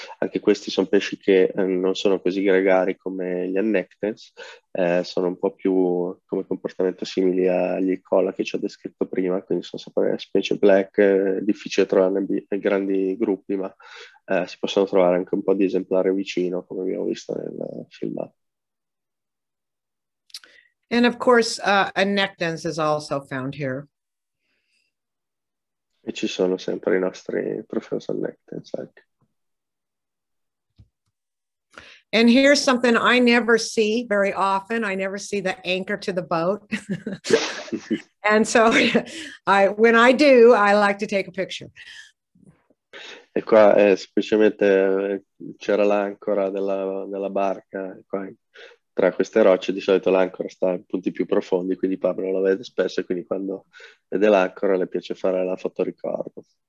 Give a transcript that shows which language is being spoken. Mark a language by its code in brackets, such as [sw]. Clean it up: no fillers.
[it] Anche questi sono pesci che non sono così gregari come gli annectens, sono un po' più come comportamento simili agli colla che ci ho descritto prima, quindi sono sempre una specie black, difficile trovare nei grandi gruppi, ma si possono trovare anche un po' di esemplari vicino, come abbiamo visto nel filmato. [en] And of course annectens is also found here. [it] E ci sono sempre i nostri professor annectens. [en] And here's something I never see very often. I never see the anchor to the boat. And so when I do, I like to take a picture. [it] E qua è specialmente c'era l'ancora della, della barca qua. Tra queste rocce di solito l'ancora sta in punti più profondi, quindi Pablo la vede spesso, quindi quando vede l'ancora le piace fare la foto ricordo.